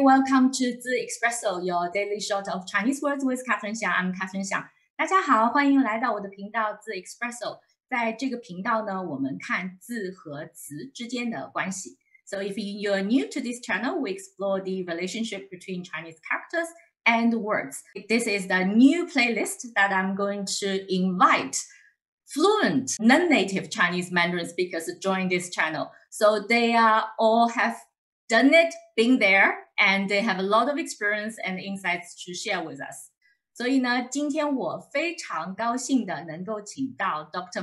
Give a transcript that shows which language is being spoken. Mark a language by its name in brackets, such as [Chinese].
[English] Welcome to the espresso, your daily shot of Chinese words with Catherine Xiang. I'm Catherine Xiang. [Chinese] 大家好，欢迎来到我的频道 the espresso。在这个频道呢，我们看字和词之间的关系。 [English] So if you are new to this channel, we explore the relationship between Chinese characters and words. This is the new playlist that I'm going to invite fluent non-native Chinese Mandarin speakers to join this channel. So they all have done it, been there, and they have a lot of experience and insights to share with us. [Chinese] 所以呢，今天我非常高兴的能够请到 Dr.